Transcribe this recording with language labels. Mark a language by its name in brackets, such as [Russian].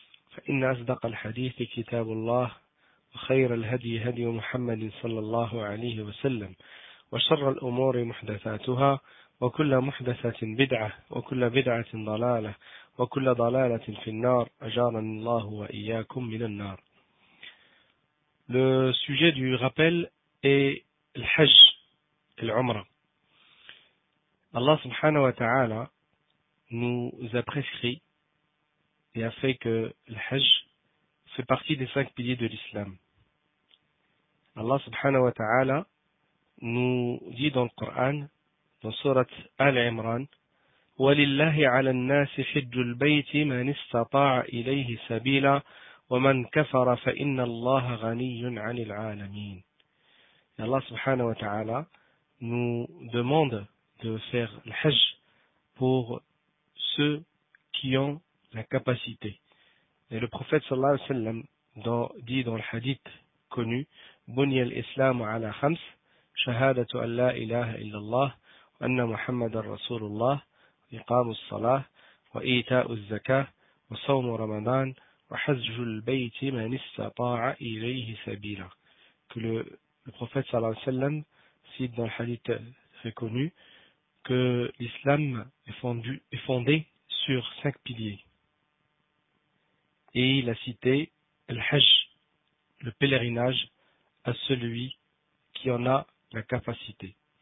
[Arabic] فإن أصدق الحديث كتاب الله، وخير الهدي هدي محمد صلى الله عليه وسلم، وشر الأمور محدثاتها، وكل محدثة بدعة، وكل بدعة ضلالة، وكل ضلالة في النار، أجارني الله وإياكم من النار. [French] Le sujet du rappel est الحج، العمرة. Allah subhanahu wa ta'ala nous a prescrit et a fait que الحج fait partie des cinq piliers de l'islam. Allah subhanahu wa ta'ala nous dit dans le Coran, dans Sourate Al-Imran, [Arabic] وَلِلَّهِ عَلَى النَّاسِ حِجُّ الْبَيْتِ مَنِ اسْتَطَاعَ إِلَيْهِ سَبِيلًا وَمَنْ كَفَرَ فَإِنَّ اللَّهَ غَنِيٌّ عَنِ الْعَالَمِينَ. [French] Et Allah subhanahu wa ta'ala nous demande de faire le hajj pour ceux qui ont la capacité. Et le prophète sallallahu alayhi wa sallam dit dans le hadith connu, [Arabic] بُنِيَ الْإِسْلَامُ عَلَى خَمْسِ شهادة أن لا إله إلا الله وأن محمد رسول الله إقام الصلاة وإيتاء الزكاة وصوم رمضان وحج البيت من استطاع إليه سبيلا. [French] Que le prophète صلى الله عليه وسلم cite dans le hadith très connu que l'islam est fondé sur cinq piliers. Et il a cité le hajj, le pèlerinage, à celui qui en a la capacité.